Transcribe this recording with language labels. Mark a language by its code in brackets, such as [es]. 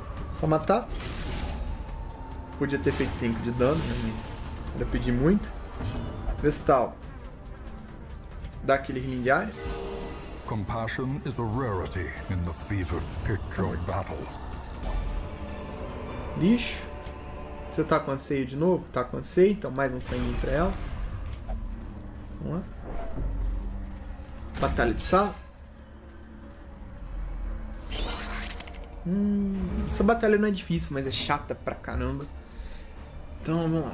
[pt] Só matar. Podia ter feito 5 de dano, né? Mas era pedir muito. Vestal. Dá aquele healing de área. [en] Compassion is a rarity in the fevered Pitjoy battle. [pt] Lixo. Você tá com anseio de novo? Tá com anseio, então mais um sanguinho pra ela. Vamos lá. Batalha de sala. Essa batalha não é difícil, mas é chata pra caramba. Então vamos lá.